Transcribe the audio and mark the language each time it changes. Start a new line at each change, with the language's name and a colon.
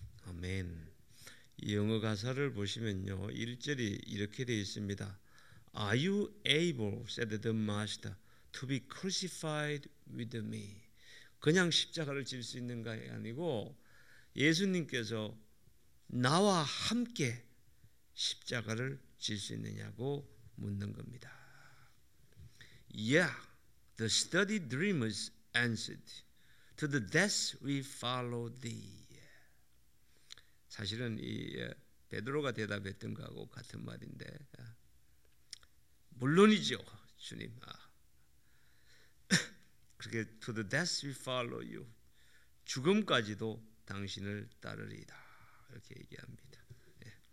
Korean: 아멘. 이 영어 가사를 보시면요, 1절이 이렇게 되어 있습니다.
English: Are you able, said the master, to be crucified with me?
Korean: 그냥 십자가를 질 수 있는가 아니고 예수님께서 나와 함께 십자가를 질 수 있느냐고 묻는 겁니다.
English: Yeah, the study dreamers answered, to the death we follow thee.
Korean: 사실은 이 베드로가 대답했던 것하고 같은 말인데, 물론이죠 주님. 아, 그렇게
English: to the death we follow you,
Korean: 죽음까지도 당신을 따르리다 이렇게 얘기합니다. 예.